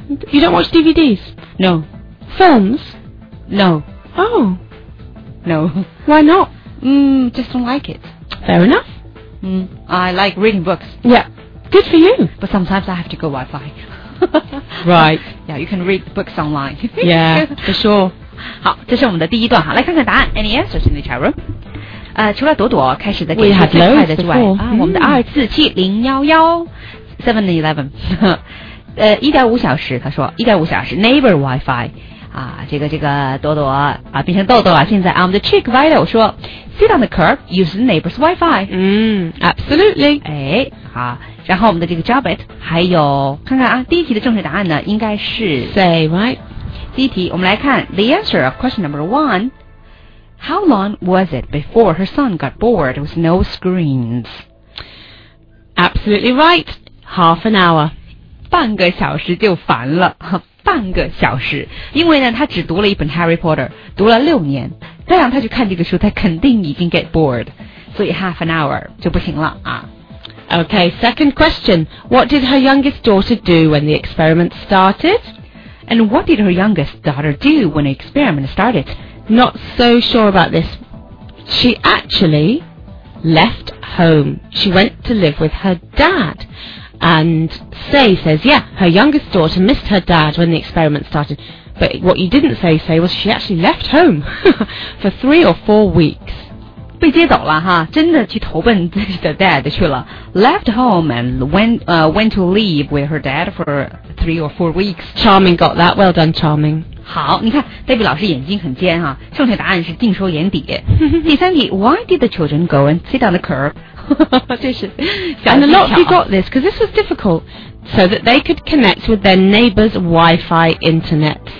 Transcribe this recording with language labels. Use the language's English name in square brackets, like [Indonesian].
[English] You don't watch DVDs? No. Films? No. Oh. No. Why not? Just don't like it. Fair enough. I like reading books. Yeah, good for you. But sometimes I have to go Wi-Fi. Right. Yeah, you can read books online. Yeah, for sure. [Chinese] 好，这是我们的第一段哈，来看看答案。 [English] Any answers in the chat room? [Chinese] 除了朵朵开始的给最快的之外，我们的247011711，1.5小时，他说1.5小时 ，neighbor Wi-Fi。啊，这个朵朵啊，变成豆豆啊！现在啊，我们的 Chick Vital 说 [English] ，Sit on the curb, use the neighbor's Wi-Fi。 Absolutely。 [Chinese] 哎，好，然后我们的这个 Jobit 还有，看看啊，第一题的正确答案呢，应该是 [English] Say right。 [Chinese] 第一题，我们来看 [English] The answer of question number one. How long was it before her son got bored with no screens? Absolutely right. Half an hour. [Chinese] 半个小时就烦了。半个小时，因为呢，他只读了一本 Harry Potter， 读了六年，再让他去看这个书，他肯定已经 [English] get bored， [Chinese] 所以 [English] half an hour [Chinese] 就不行了啊。 [English] Okay, second question. What did her youngest daughter do when the experiment started? And what did her youngest daughter do when the experiment started? Not so sure about this. She actually left home. She went to live with her dad. And Say says, yeah, her youngest daughter missed her dad when the experiment started. But what you didn't say, Say, was she actually left home for 3 or 4 weeks. [Chinese] 被接走了哈，真的去投奔自己的 dad 去了。 [English] Left home and went to live with her dad for 3 or 4 weeks. Charming got that. Well done, Charming. [Chinese] 好，你看 ，Debbie 老师眼睛很尖哈，正确答案是尽收眼底。第三题 [English] ，Why did the children go and sit on the curb? And a lot of you got this because this was difficult, so that they could connect with their neighbor's Wi-Fi internet.